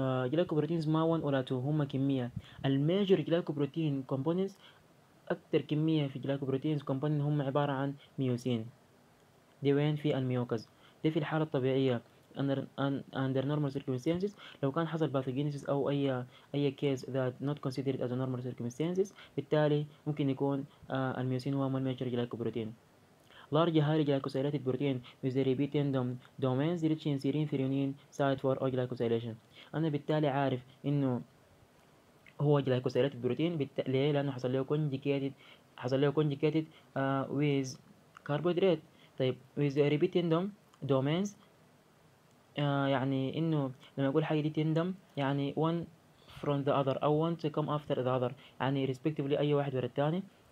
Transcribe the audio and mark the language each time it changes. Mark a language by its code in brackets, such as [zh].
[ar] جلايكوبروتينز ما 1 ولا 2، هما كميه. الميجر جلايكوبروتين كومبوننتس، اكثر كميه في جلايكوبروتينز كومبوننت هم عباره عن ميوسين. دي وين في الميوكوز؟ دي في الحاله الطبيعيه [en] under normal circumstances. [ar] لو كان حصل pathogenesis او اي [en] case that not considered as a normal circumstances، [ar] بالتالي ممكن يكون الميوسين هو الميجر جلايكوبروتين. [en] Large hairy glycosylated protein with the repeating domains rich in serine threonine site for glycosylation. [ar] أنا بالتالي عارف إنه هو [en] glycosylated protein. [ar] ليه؟ لأنه حصل له [en] conjugated with carbohydrate. [ar] طيب [en] with the repeating domains [ar] يعني إنه لما أقول حاجة دي تندم يعني [en] one from the other [ar] أو [en] one to come after the other، [ar] يعني respectively أي واحد ورا الثاني.